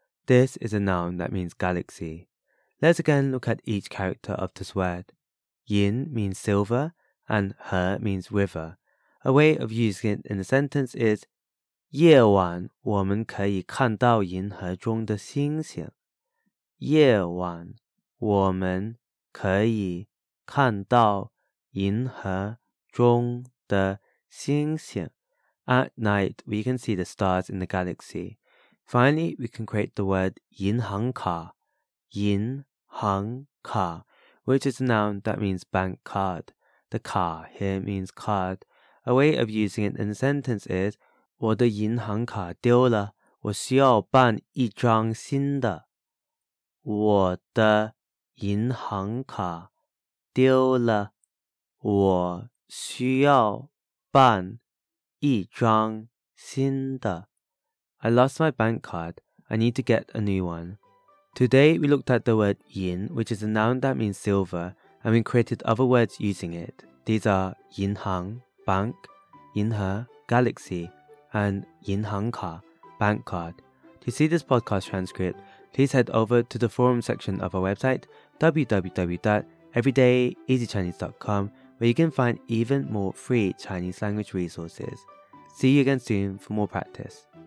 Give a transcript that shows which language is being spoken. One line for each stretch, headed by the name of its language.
English: This is a noun that means galaxy. Let's again look at each character of this word. 银 means silver. And 河 means river. A way of using it in a sentence is
Chinese: 夜晚我们可以看到银河中的星星。夜晚我们可以看到银河中的星星。
English: At night, we can see the stars in the galaxy. Finally, we can create the word 银行卡。银行卡 which is a noun that means bank card. The car here means card. A way of using it in a sentence is
Chinese: 我的银行卡丢了，我需要办一张新的。我的银行卡丢了，我需要办一张新的。
English: I lost my bank card. I need to get a new one. Today we looked at the word 银 which is a noun that means silver, and we created other words using it. These are 银行 bank, 银河 galaxy, and 银行卡 bank card. To see this podcast transcript, please head over to the forum section of our website, www.everydayeasychinese.com, where you can find even more free Chinese language resources. See you again soon for more practice.